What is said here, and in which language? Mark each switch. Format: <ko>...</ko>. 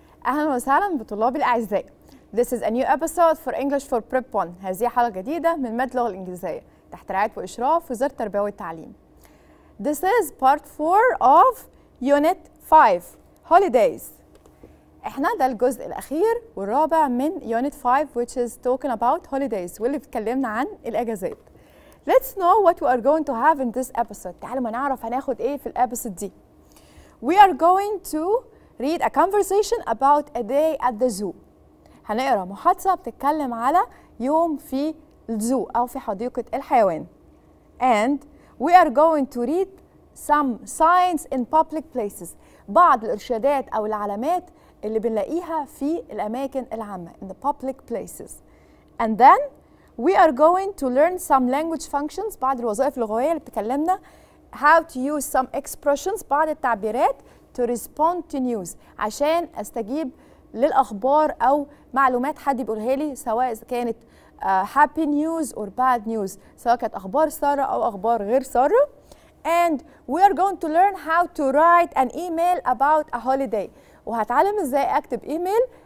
<ar>أهلا وسهلا بطلابي الأعزاء.</ar> <en>This is a new episode for English for Prep 1.</en> <ar>هذه حلقة جديدة من مادة اللغة الإنجليزية تحت رعاية وإشراف وزارة التربية والتعليم.</ar> <en>This is part 4 of unit 5, holidays.</en> <ar>إحنا ده الجزء الأخير والرابع من unit 5</ar> <en>which is talking about holidays</en> <ar>واللي بتكلمنا عن الأجازات.</ar> <en>Let's know what we are going to have in this episode.</en> <ar>تعالوا ما نعرف هناخد إيه في الأبسود دي.</ar> <en>We are going to read a conversation about a day at the zoo.</en> <ar>هنقرا محادثة بتتكلم على يوم في الزو أو في حديقة الحيوان.</ar> <en>And we are going to read some signs in public places.</en> <ar>بعض الإرشادات أو العلامات اللي بنلاقيها في الأماكن العامة.</ar> <en>In the public places. And then we are going to learn some language functions.</en> <ar>بعض الوظائف اللغوية اللي بتكلمنا</ar> <en>how to use some expressions</en> <ar>بعض التعبيرات</ar> <en>to respond to news</en> <ar>عشان استجيب للاخبار او معلومات حد بيقولها لي سواء كانت</ar> <en>happy news or bad news</en> <ar>سواء كانت اخبار ساره او اخبار غير ساره</ar> <en>and we are going to learn how to write an email about a holiday</en> <ar>وهتعلم ازاي اكتب ايميل</ar>